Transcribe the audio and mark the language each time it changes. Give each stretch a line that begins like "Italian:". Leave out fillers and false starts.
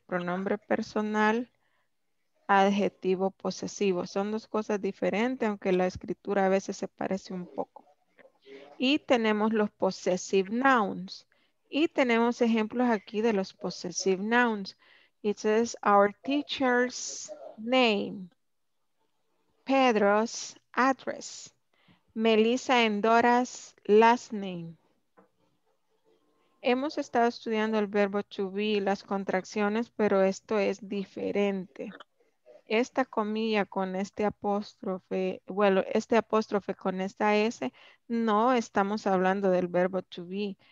Spanish: Pronombre personal, adjetivo posesivo. Son dos cosas diferentes, aunque la escritura a veces se parece un poco. Y tenemos los possessive nouns. Y tenemos ejemplos aquí de los possessive nouns.
English: It says our teacher's name, Pedro's address, Melissa and Dora's last name.
Spanish: Hemos estado estudiando el verbo to be, las contracciones, pero esto es diferente. Esta comilla con este apóstrofe, bueno, este apóstrofe con esta S, no estamos hablando del verbo to be.